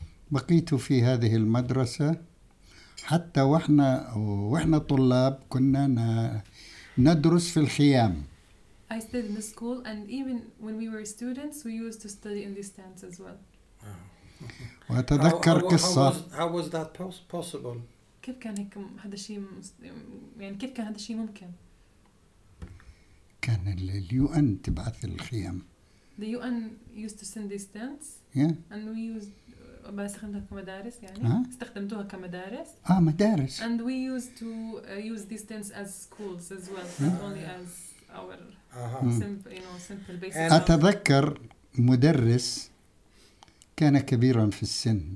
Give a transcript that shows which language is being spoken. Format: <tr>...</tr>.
<ar>بقيت في هذه المدرسة حتى وإحنا طلاب كنا ندرس في الخيام.</ar> <en>I stayed in the school, and even when we were students, we used to study in these tents as well.</en> <ar>وأتذكر قصة.</ar> <en>How was that possible?</en> <ar>كيف كان هيك هذا الشيء يعني كيف كان هذا الشيء ممكن؟ كان اليو ان تبعث الخيام.</ar> <en>The UN used to send these tents. Yeah. And we used.</en> <ar>استخدمتوها كمدارس. آه مدارس.</ar> <en>And we used to use these tents as schools as well, not only as our simple basic.</en> <ar>أتذكر مدرس كان كبيرا في السن.</ar>